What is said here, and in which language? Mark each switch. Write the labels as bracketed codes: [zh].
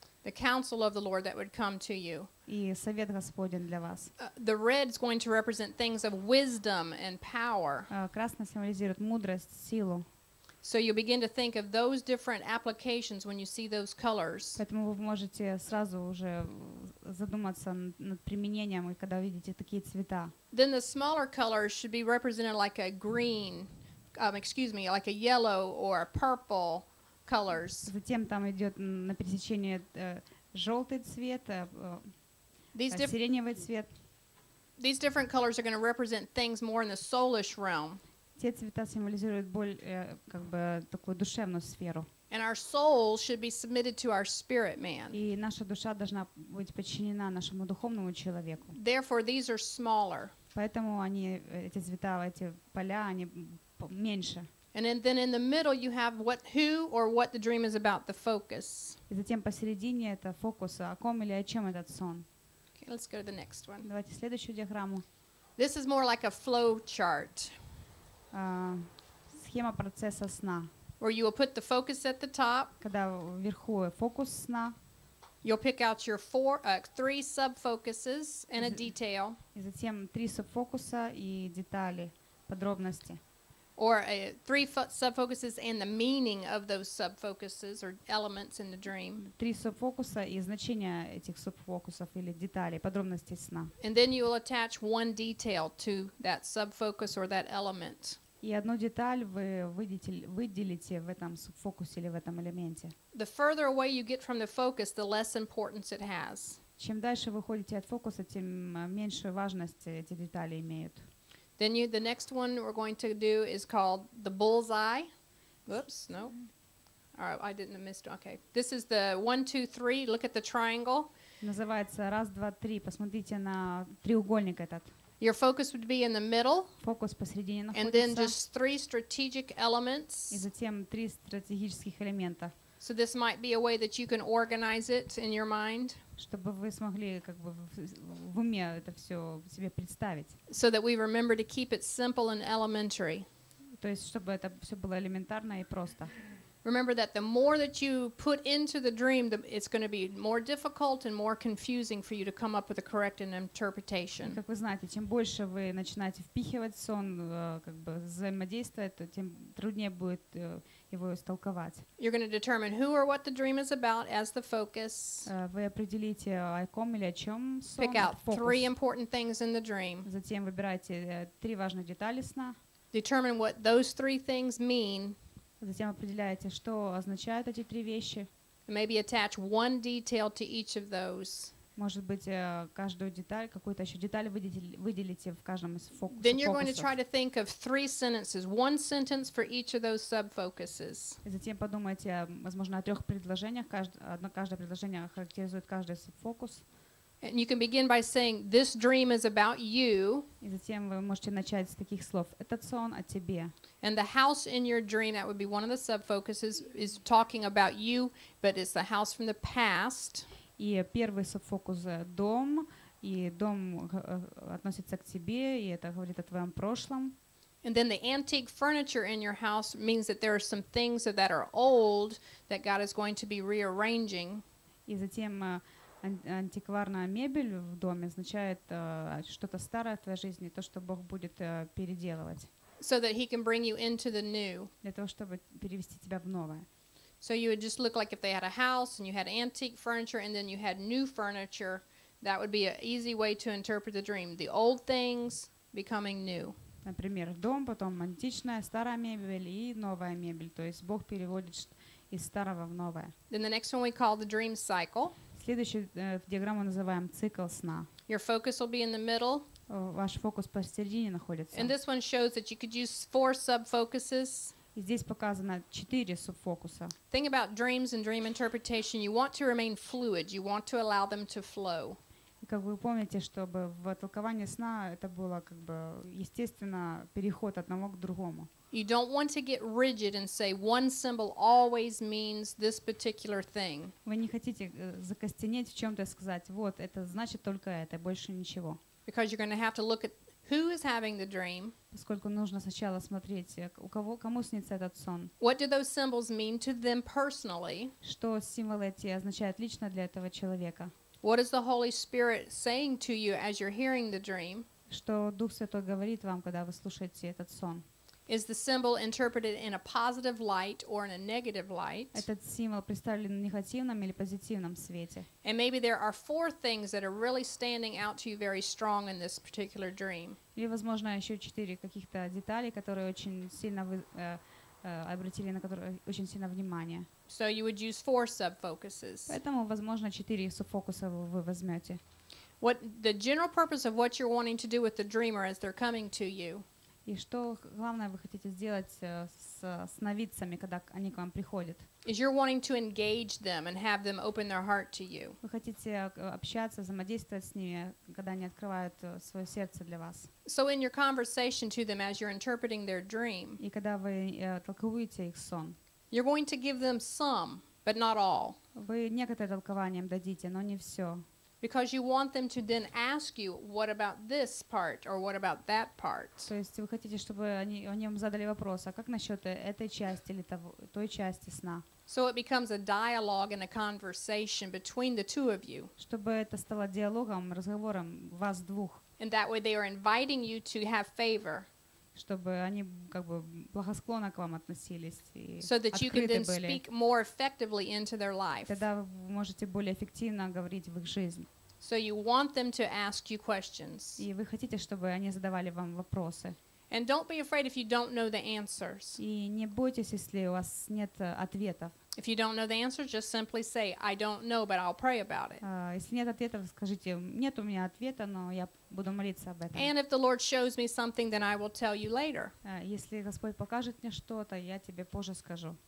[en] The counsel of the Lord that would come to you. [ru] И совет Господень для вас. [en] The red is going to represent things of wisdom and power. [ru] Красное символизирует мудрость, силу. [en] So you begin to think of those different applications when you see those colors. [ru] Поэтому вы можете сразу уже задуматься над применением, когда видите такие цвета. [en] Then the smaller colors should be represented like a green, like a yellow or a purple colors. [ru] Затем там идет на пересечение желтый цвет, сиреневый цвет. [en] These different colors are going to represent things more in the soulish realm. [ru] Те цвета символизируют боль, как бы такую душевную сферу. [en] And our soul should be submitted to our spirit man. [ru] И наша душа должна быть подчинена нашему духовному человеку. [en] Therefore, these are smaller. [ru] Поэтому они, эти цвета, эти поля, они меньше. [en] And then in the middle you have what, who, or what the dream is about, the focus. [ru] И затем посередине это фокус, о ком или о чем этот сон. [en] Okay, let's go to the next one. [ru] Давайте следующую диаграмму. [en] This is more like a flow chart. [ru] Схема процесса сна. [en] Where you will put the focus at the top. [ru] Когда вверху фокус сна. [en] You'll pick out your three sub-focuses and a detail. [ru] И затем три субфокуса и детали, подробности. [en] Or three sub-focuses and the meaning of those sub-focuses or elements in the dream. [ru] Три субфокуса и значение этих субфокусов или деталей, подробности сна. [en] And then you will attach one detail to that sub-focus or that element. [ru] И одну деталь вы выделите в этом субфокусе или в этом элементе. [en] The further away you get from the focus, the less importance it has. [ru] Чем дальше вы уходите от фокуса, тем меньшую важность эти детали имеют. [en] Then the next one we're going to do is called the bullseye. Whoops, no. All right, I didn't miss it. Okay. This is the 1, 2, 3. Look at the triangle. [ru] Называется раз, два, три. Посмотрите на треугольник этот. [en] Your focus would be in the middle. [ru] Фокус посередине находится. [en] And then just three strategic elements. [ru] И затем три стратегических элемента. [en] So this might be a way that you can organize it in your mind. [ru] Чтобы вы смогли как бы в уме это все себе представить. [en] So that we remember to keep it simple and elementary. [ru] То есть чтобы это все было элементарно и просто. [en] Remember that the more that you put into the dream, it's going to be more difficult and more confusing for you to come up with a correct interpretation. [ru] Как вы знаете, чем больше вы начинаете впихивать сон, как бы взаимодействовать, тем труднее будет его истолковать. [en] You're going to determine who or what the dream is about as the focus. [ru] Вы определите, о ком или о чем сон. [en] Pick out three important things in the dream. [ru] Затем выбирайте три важные детали сна. [en] Determine what those three things mean. [ru] Затем определяете, что означают эти три вещи. [en] Maybe attach one detail to each of those. [ru] Может быть, каждую деталь, какую-то еще деталь выделите в каждом из фокусов. [en] Then you're going to try to think of three sentences, one sentence for each of those sub-focuses. [ru] И затем подумайте, возможно, о трех предложениях. Каждое предложение характеризует каждый субфокус. [en] And you can begin by saying, "This dream is about you." [ru] И затем вы можете начать с таких слов: "Этот сон о тебе." [en] And the house in your dream, that would be one of the subfocuses, is talking about you, but it's the house from the past. [ru] И первый субфокус — дом, и дом относится к тебе, и это говорит о твоем прошлом. [en] And then the antique furniture in your house means that there are some things that are old that God is going to be rearranging. [ru] И затем антикварная мебель в доме означает что-то старое в твоей жизни, то, что Бог будет переделывать. [en] So that he can bring you into the new. [ru] Для того, чтобы перевести тебя в новое. [en] So you would just look like if they had a house and you had antique furniture and then you had new furniture, that would be an easy way to interpret the dream. The old things becoming new. [ru] Например, дом, потом античная, старая мебель и новая мебель. То есть Бог переводит из старого в новое. [en] Then the next one we call the dream cycle. [ru] Следующую диаграмму называем цикл сна. [en] Your focus will be in the middle. [ru] Ваш фокус посередине находится. [en] And this one shows that you could use four sub-focuses. [ru] И здесь показано четыре субфокуса. [en] Think about dreams and dream interpretation. You want to remain fluid. You want to allow them to flow. [ru] И как вы помните, чтобы в толковании сна это было как бы естественно переход одного к другому. [en] You don't want to get rigid and say one symbol always means this particular thing. [ru] Вы не хотите закостенеть в чем-то и сказать, вот это значит только это, больше ничего. [en] Because you're going to have to look at who is having the dream? [ru] Поскольку нужно сначала смотреть, у кого, кому снится этот сон. [en] What do those symbols mean to them personally? [ru] Что символы эти означают лично для этого человека? [en] What is the Holy Spirit saying to you as you're hearing the dream? [ru] Что Дух Святой говорит вам, когда вы слушаете этот сон? [en] Is the symbol interpreted in a positive light or in a negative light? [ru] Этот символ представлен в негативном или позитивном свете? [en] And maybe there are four things that are really standing out to you very strong in this particular dream. [ru] Или, возможно, еще четыре каких-то деталей, которые очень сильно вы обратили на которые очень сильно внимание. [en] So you would use four subfocuses. [ru] Поэтому, возможно, четыре субфокуса вы возьмете. [en] What the general purpose of what you're wanting to do with the dreamer as they're coming to you? [ru] И что главное вы хотите сделать с сновидцами, когда они к вам приходят? [en] Is you're wanting to engage them and have them open their heart to you? [ru] Вы хотите общаться, взаимодействовать с ними, когда они открывают свое сердце для вас? [en] So in your conversation to them as you're interpreting their dream. [ru] И когда вы толкуете их сон. [en] You're going to give them some, but not all. [ru] Вы некоторое толкование им дадите, но не все. [en] Because you want them to then ask you, what about this part or what about that part? [ru] То есть вы хотите, чтобы они вам задали вопрос, а как насчет этой части или той части сна? [en] So it becomes a dialogue and a conversation between the two of you. [ru] Чтобы это стало диалогом, разговором вас двух. [en] And that way they are inviting you to have favor. [ru] Чтобы они как бы благосклонно к вам относились и открыты были. [en] So that you can then speak more effectively into their life. [ru] Тогда вы можете более эффективно говорить в их жизнь. [en] So you want them to ask you questions. [ru] И вы хотите, чтобы они задавали вам вопросы. [en] And don't be afraid if you don't know the answers. [ru] И не бойтесь, если у вас нет ответов. [en] If you don't know the answer, just simply say, I don't know, but I'll pray about it. [ru] Если нет ответа, скажите, нет у меня ответа, но я буду молиться об этом. [en] And if the Lord shows me something, then I will tell you later. [ru] Если Господь покажет мне что-то, я тебе позже скажу.